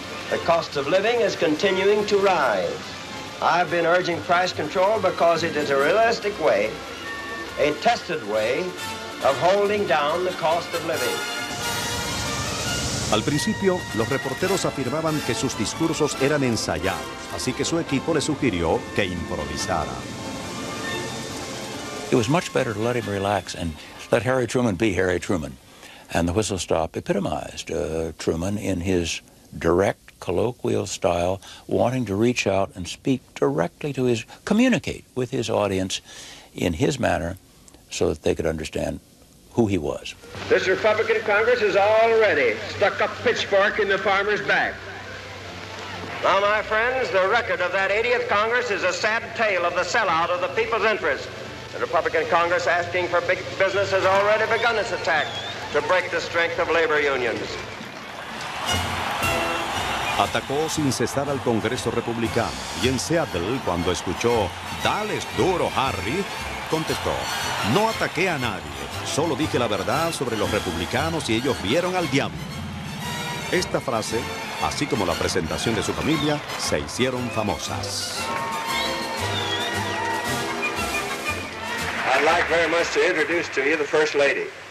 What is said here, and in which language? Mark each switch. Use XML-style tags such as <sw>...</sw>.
<en>The cost of living is continuing to rise. I've been urging price control because it is a realistic way, a tested way, of holding down the cost of living.</en> <es>Al principio, los reporteros afirmaban que sus discursos eran ensayados, así que su equipo le sugirió que improvisara.</es> <en>It was much better to let him relax and let Harry Truman be Harry Truman. And the whistle stop epitomized Truman in his direct, colloquial style, wanting to reach out and speak directly to his, communicate with his audience in his manner so that they could understand who he was. This Republican Congress has already stuck a pitchfork in the farmer's back. Now, my friends, the record of that 80th Congress is a sad tale of the sellout of the people's interest. The Republican Congress asking for big business has already begun its attack to break the strength of labor unions.</en> <es>Atacó sin cesar al Congreso Republicano y en Seattle, cuando escuchó "Dales duro, Harry", contestó: "No ataqué a nadie, solo dije la verdad sobre los republicanos y ellos vieron al diablo". Esta frase, así como la presentación de su familia, se hicieron famosas.</es> <en>I'd like very much to introduce to you the First Lady.</en>